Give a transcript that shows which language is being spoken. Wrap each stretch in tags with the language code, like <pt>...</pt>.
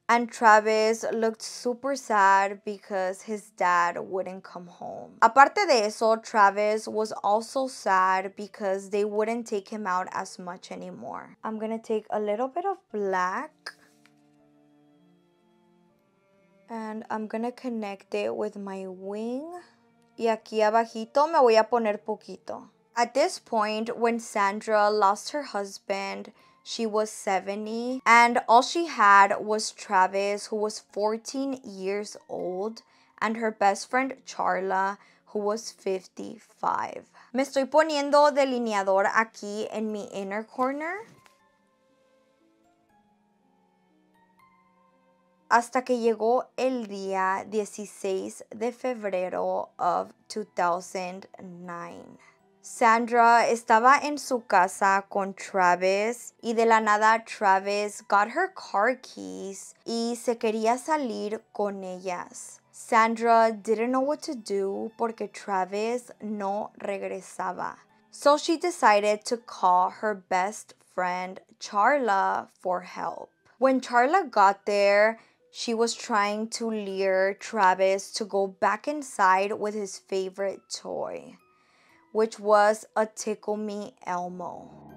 <en>And Travis looked super sad because his dad wouldn't come home.</en> <es>Aparte de eso,</es> <en>Travis was also sad because they wouldn't take him out as much anymore. I'm gonna take a little bit of black. And I'm gonna connect it with my wing.</en> <es>Y aquí abajito me voy a poner poquito.</es> <en>At this point, when Sandra lost her husband, she was 70. And all she had was Travis, who was 14 years old, and her best friend, Charla, who was 55.</en> <es>Me estoy poniendo delineador aquí en mi</es> <en>inner corner.</en> <es>Hasta que llegó el día 16 de febrero of 2009. Sandra estaba en su casa con Travis y de la nada Travis</es> <en>got her car keys</en> <es>y se quería salir con ellas.</es> <en>Sandra didn't know what to do</en> <es>porque Travis no regresaba.</es> <en>So she decided to call her best friend Charla for help. When Charla got there, she was trying to lure Travis to go back inside with his favorite toy, which was a Tickle Me Elmo.</en>